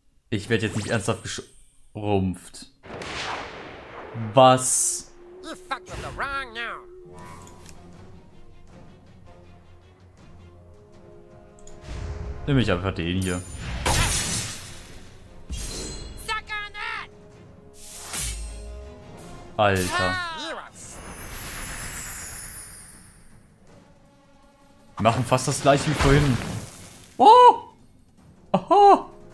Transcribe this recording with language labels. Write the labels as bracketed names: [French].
[German] Ich werde jetzt nicht ernsthaft geschrumpft. Was? [English] You fucked with the wrong now. [German] Nimm ich einfach den hier. [English] Suck on that. [German] Alter. Wir machen fast das gleiche wie vorhin. Oh! Aha!